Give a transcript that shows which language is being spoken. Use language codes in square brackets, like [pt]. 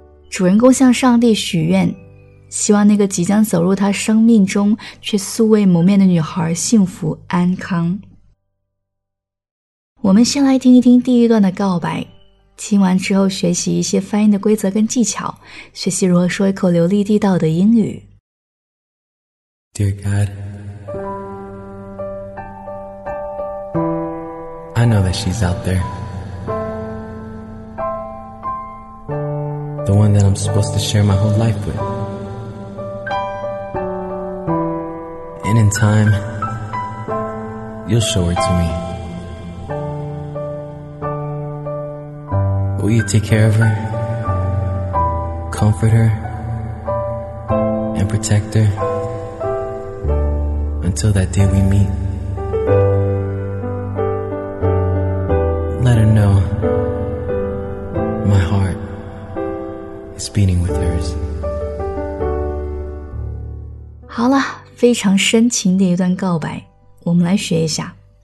[zh] 主人公向上帝许愿，希望那个即将走入他生命中却素未谋面的女孩幸福安康。我们先来听一听第一段的告白，听完之后学习一些发音的规则跟技巧，学习如何说一口流利地道的英语。 [en] Dear God, I know that she's out there, the one that I'm supposed to share my whole life with. And in time, you'll show her to meWill you take care of her, comfort her, and protect her until that day we meet? Let her know my heart is beating with hers. [zh] 好了，非常深情的一段告白，我们来学一下。